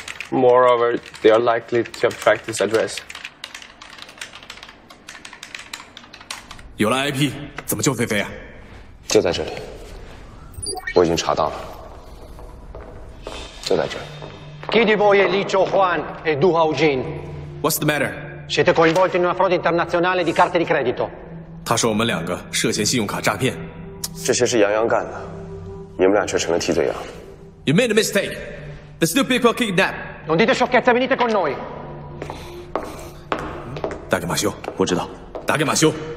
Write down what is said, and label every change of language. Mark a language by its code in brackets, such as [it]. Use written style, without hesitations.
[en] Moreover, they are likely to have tracked this address. [zh] 有了 IP， 怎么救菲菲啊？就在这里，我已经查到了。就在这里。 [it] Chi vuole Licio Juan e Duha Eugene? [en] What's the matter? [it] Siete coinvolti in una frode internazionale di carte di credito. [zh] 他说我们两个涉嫌信用卡诈骗，这些是杨洋干的，你们俩却成了替罪羊。 [en] You made a mistake. The stupid people kidnapped. [it] Non dite sciocchezze, venite con noi. [zh] 打给马修，我知道。打给马修，